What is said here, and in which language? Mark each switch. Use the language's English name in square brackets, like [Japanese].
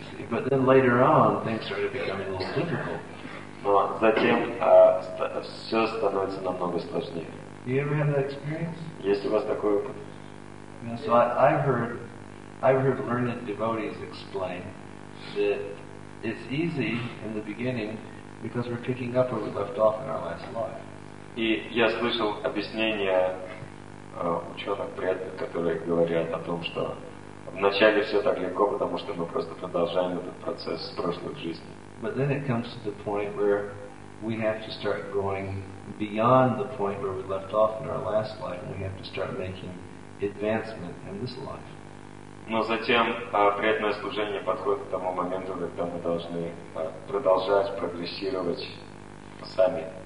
[English] But then later on, things started becoming a little difficult. [Russian] Но затем все становится намного сложнее. [English] You ever had that experience? [Russian] Есть у вас такой опыт? [English] Yeah, so I've heard learned devotees explain that it's easy in the beginning because we're picking up where we left off in our last life. [Russian] И я слышал объяснение ученых преданных, которые говорят о том, что вначале все так легко, потому что мы просто продолжаем этот процесс с прошлых жизней. [English] But then it comes to the point where we have to start going beyond the point where we left off in our last life, and we have to start making advancement in this life. [Russian] Но затем преданное служение подходит к тому моменту, когда мы должны продолжать прогрессировать сами.